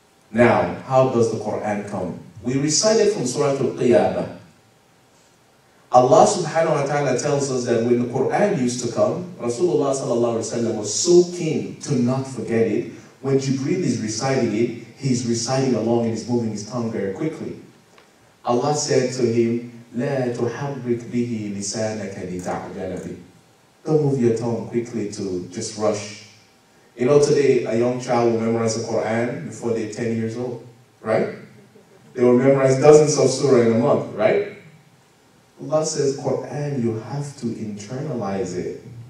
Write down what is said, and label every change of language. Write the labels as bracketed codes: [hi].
[en] Now, how does the Qur'an come? We recite it from Surah Al-Qiyamah. Allah subhanahu wa ta'ala tells us that when the Qur'an used to come, Rasulullah sallallahu alayhi wa sallam was so keen to not forget it. When Jibreel is reciting it, he's reciting along and he's moving his tongue very quickly. Allah said to him, [ar] لَا تُحَرِّكْ بِهِ لِسَانَكَ لِتَعْجَلَ بِهِ. [en] Don't move your tongue quickly to just rush. You know, today a young child will memorize the Qur'an before they're 10 years old, right? They will memorize dozens of surah in a month, right? Allah says, Qur'an, you have to internalize it.